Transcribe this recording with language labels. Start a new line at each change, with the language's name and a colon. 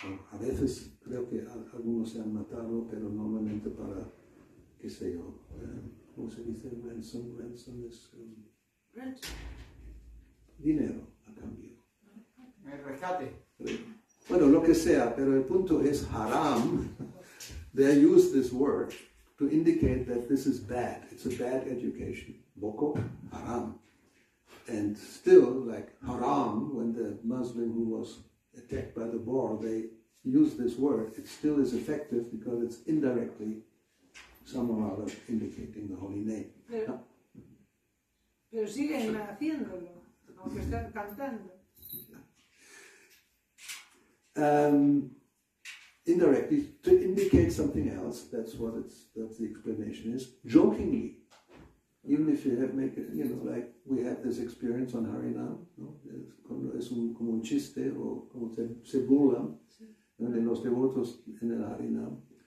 Spanish: A veces creo que algunos se han matado, pero normalmente para, qué sé yo, ¿cómo se dice? Ransom es... dinero a cambio. El rescate. Bueno, lo que sea, pero el punto es haram.
English: They use this word to indicate that this is bad. It's a bad education. Boko Haram. And still, like haram, when the Muslim who was attacked by the boar, they use this word, it still is effective because it's indirectly some or other indicating the holy name.
Spanish: Pero siguen haciéndolo, aunque están cantando.
English: Indirectly, to indicate something else, that's the explanation is, jokingly, even if you have make it, like we have this experience on Harinam, no?
Spanish: Es un, como un chiste o como se burlan de los devotos en el Harinam.